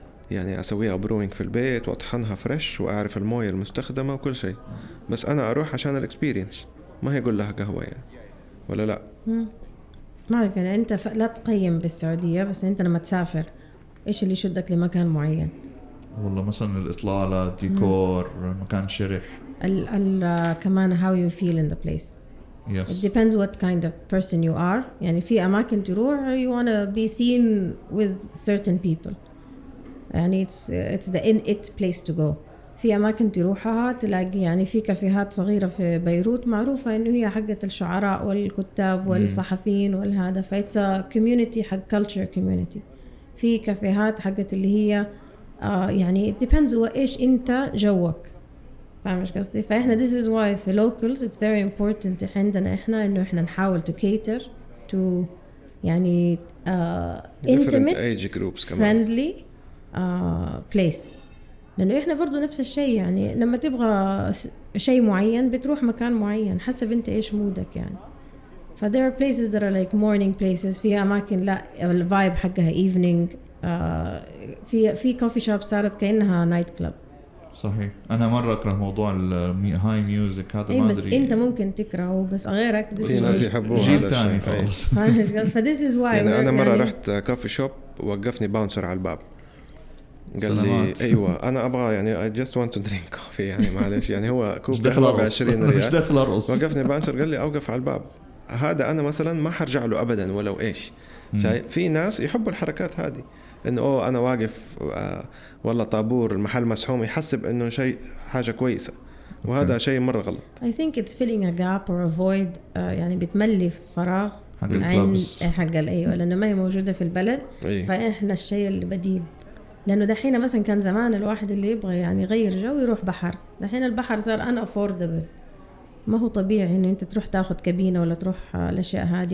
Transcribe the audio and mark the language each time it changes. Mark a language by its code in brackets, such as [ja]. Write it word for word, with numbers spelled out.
[ar] يعني أسويها بروينج في البيت وأطحنها فريش وأعرف الموية المستخدمة وكل شيء, بس أنا أروح عشان الإكسبيرينس. ما هيقول لها قهوة يعني ولا لا؟ ما أعرف يعني أنت ف... لا تقيم بالسعودية, بس أنت لما تسافر إيش اللي يشدك لمكان معين؟ والله مثلا الإطلالة, ديكور, مم. مكان شرح. ال ال كمان [en] how you feel in the place. Yes. It depends what kind of person you are. [ar] يعني في أماكن تروح [en] you wanna be seen with certain people. يعني it's it's the in it place to go. [ar] في أماكن تروحها تلاقي يعني في كافيهات صغيرة في بيروت معروفة إنه هي حقة الشعراء والكتاب والصحفيين والهذا. [en] فايتس community حق culture community. [ar] في كافيهات حقت اللي هي آه يعني depends هو إيش أنت جوك, فاهم إيش قصدي؟ فإحنا [en] this is why [ar] في locals [en] it's very important [ar] عندنا إحنا إنه إحنا نحاول [en] to cater to [ar] يعني آه [en] intimate friendly [ar] آه place. لأنه إحنا برضو نفس الشيء يعني لما تبغى شيء معين بتروح مكان معين حسب أنت إيش مودك يعني. [en] ف there are places that are like morning places. [ar] في أماكن لا ال vibe حقها evening. uh, في في coffee shop صارت كأنها night club. صحيح. أنا مرة أكره موضوع ال high music هذا. إيه ما بس أدري. أنت ممكن تكرهه بس غيرك جيل تاني خالص. [en] ف this is why. [ar] يعني أنا مرة رحت coffee shop وقفني باونسر على الباب. قال لي ايوه انا ابغى يعني [en] I just want to drink coffee [ar] يعني معلش يعني هو كوب قهوة بعشرين ريال. مش داخل أرقص. وقفني باونسر قال لي اوقف على الباب. هذا أنا مثلاً ما حرجع له أبداً ولو إيش. في ناس يحبوا الحركات هذه إنه أوه أنا واقف آه والله طابور المحل مسحوم, يحسب إنه شيء حاجة كويسة, وهذا okay. شيء مرة غلط. [en] I think it's filling a gap or a void. [ar] uh, يعني بتملي فراغ عند حق الأيوة لأنه ما هي موجودة في البلد. أيه. فإحنا الشيء اللي بديل, لأنه دحين مثلاً كان زمان الواحد اللي يبغى يعني يغير جو يروح بحر, دحين البحر صار unaffordable. ما هو طبيعي إنه أنت تروح تأخذ كابينة ولا تروح الأشياء هذه.